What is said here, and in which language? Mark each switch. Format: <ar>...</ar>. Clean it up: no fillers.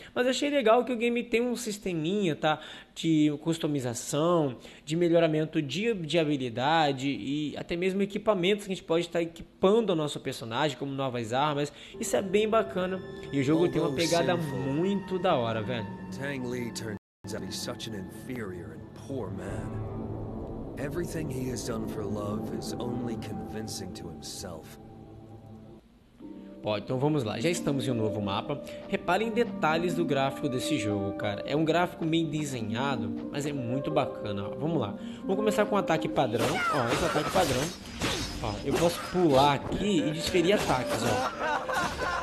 <pt>Mas achei legal que o game tem um sisteminha, tá? De customização, de melhoramento de habilidade e até mesmo equipamentos que a gente pode estar equipando o nosso personagem, como novas armas. Isso é bem bacana. E o jogo tem uma pegada muito da hora, velho.</pt> <en>Tang Li turns out he's such an inferior and poor man. Everything he has done for love is only convincing to himself.</en> <pt>Bom, então vamos lá. Já estamos em um novo mapa. Reparem detalhes do gráfico desse jogo, cara. É um gráfico meio desenhado, mas é muito bacana. Ó, vamos lá. Vamos começar com um ataque padrão. Ó, esse ataque padrão. Ó, eu posso pular aqui e desferir ataques, ó.</pt>